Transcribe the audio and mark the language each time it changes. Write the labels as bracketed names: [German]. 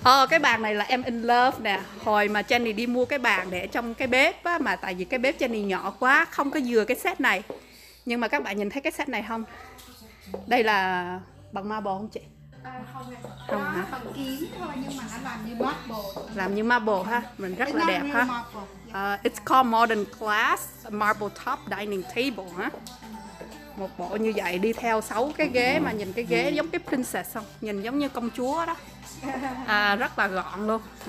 [Vietnamese] Cái bàn này là em [English] in love [Vietnamese] nè. Hồi mà Jenny đi mua cái bàn để trong cái bếp á, mà tại vì cái bếp Jenny nhỏ quá không có vừa cái set này. Nhưng mà các bạn nhìn thấy cái set này không? Đây là bằng marble không chị? Không, phần kín thôi nhưng mà nó làm như marble. Làm như marble ha, mình rất là đẹp ha. [English] It's called modern class marble top dining table ha. [Vietnamese] Một bộ như vậy đi theo 6 cái ghế mà nhìn cái ghế giống cái princess không? Nhìn giống như công chúa đó. Rất là gọn luôn.